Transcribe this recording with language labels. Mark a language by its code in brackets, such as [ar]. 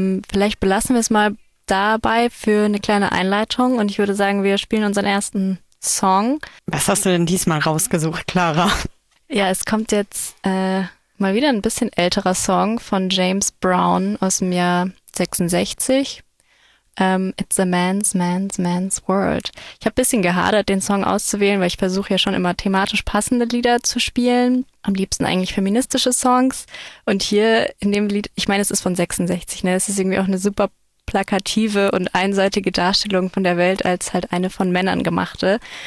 [de] Vielleicht belassen wir es mal dabei für eine kleine Einleitung und ich würde sagen, wir spielen unseren ersten Song. Was hast du denn diesmal rausgesucht, Clara? Ja, es kommt jetzt mal wieder ein bisschen älterer Song von James Brown aus dem Jahr 66. [en] It's a man's, man's, man's world. [de] Ich habe ein bisschen gehadert, den Song auszuwählen, weil ich versuche ja schon immer thematisch passende Lieder zu spielen. Am liebsten eigentlich feministische Songs. Und hier in dem Lied, ich meine, es ist von 66, ne? Es ist irgendwie auch eine super plakative und einseitige Darstellung von der Welt als halt eine von Männern gemachte.